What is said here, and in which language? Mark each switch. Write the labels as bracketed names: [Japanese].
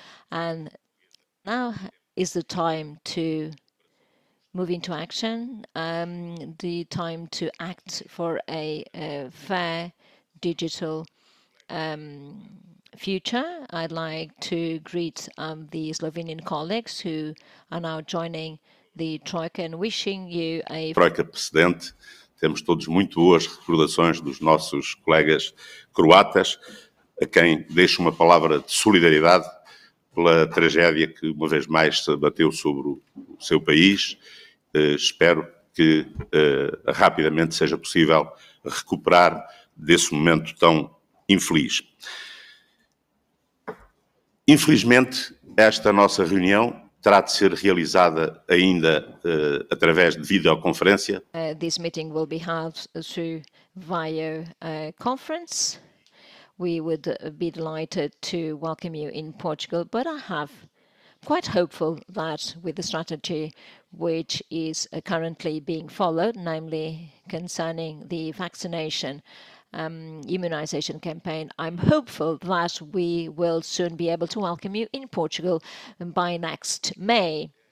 [English] And now is the time to move into action, the time to act for a fair digital future. I'd like to greet the Slovenian colleagues who are now joining the Troika and wishing you a. [Portuguese] Troika precedente, temos todos muito boas recordações dos nossos colegas croatas, a quem deixo uma palavra de solidariedade pela tragédia que uma vez mais se abateu sobre o seu país. Espero que rapidamente seja possível recuperar desse momento tão infeliz. Infelizmente, esta nossa reunião terá de ser realizada ainda através de videoconferência. [English] This meeting will be held through via conference. We would be delighted to welcome you in Portugal, but I have quite hopeful that with the strategy which is currently being followed, namely concerning the vaccination immunization campaign, I'm hopeful that we will soon be able to welcome you in Portugal by next May.